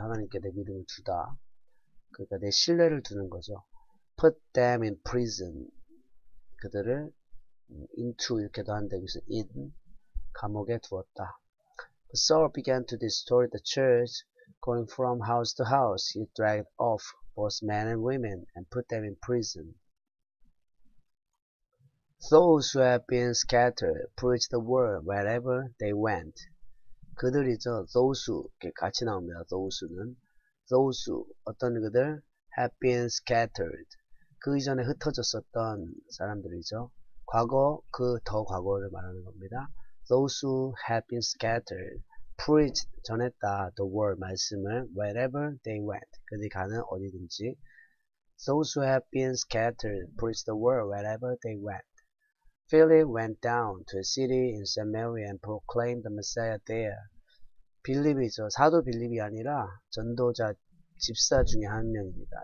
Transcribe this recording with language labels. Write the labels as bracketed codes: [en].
[ko] 하나님께 내 믿음을 두다. 그러니까 내 신뢰를 두는 거죠. [en] Put them in prison. [ko] 그들을 [en] into [ko] 이렇게도 한다. 여기서 in 감옥에 두었다. [en] Saul began to destroy the church, going from house to house. He dragged off both men and women and put them in prison. Those who had been scattered preached the word wherever they went. [ko] 그들이죠. [en] Those who [ko] 이렇게 같이 나옵니다. [en] Those는 those who [ko] 어떤 그들 [en] had been scattered. [ko] 그 이전에 흩어졌었던 사람들이죠. 과거, 그 더 과거를 말하는 겁니다. [en] Those who have been scattered, preached, [ko] 전했다, [en] the word, [ko] 말씀을, [en] wherever they went, [ko] 그들이 가는 어디든지. [en] Those who have been scattered, preached the word, wherever they went. Philip went down to a city in Samaria and proclaimed the Messiah there. [ko] 빌립이죠. 사도 빌립이 아니라 전도자 집사 중에 한 명입니다.